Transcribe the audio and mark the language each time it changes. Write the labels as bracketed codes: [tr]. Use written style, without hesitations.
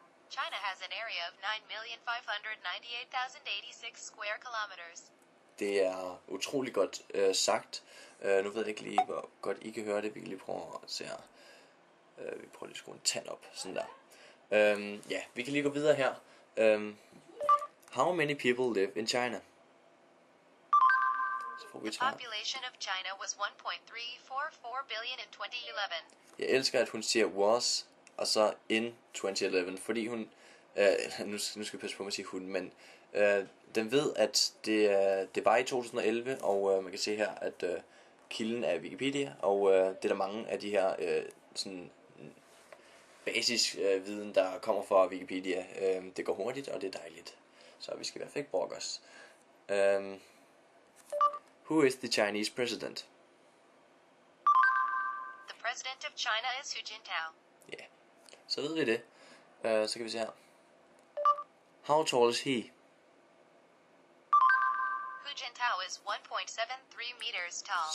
[en] China has an area of 9,598,086 square kilometers. [da] Det er utrolig godt sagt. Nu ved jeg ikke lige, hvor godt I kan høre det. Vi kan lige prøve at se her. Vi prøver lige at skrue en tand op. Sådan der. Ja, vi kan lige gå videre her. [en] How many people live in China? The population of China was 1.344 billion in 2011. [da] Jeg elsker, at hun siger was, og så in 2011, fordi hun, nu skal jeg passe på med at sige hun, men den ved, at det var i 2011, og man kan se her, at kilden er Wikipedia, og det er der mange af de her sådan basisviden, der kommer fra Wikipedia. Det går hurtigt, og det er dejligt, så vi skal i hvert fald ikke brokke os. [en] Who is the Chinese president? President of China is Hu Jintao. [da] Ja, yeah. Så ved vi det. Så kan vi se her. [en] How tall is he? Hu Jintao is 1.73 meters tall.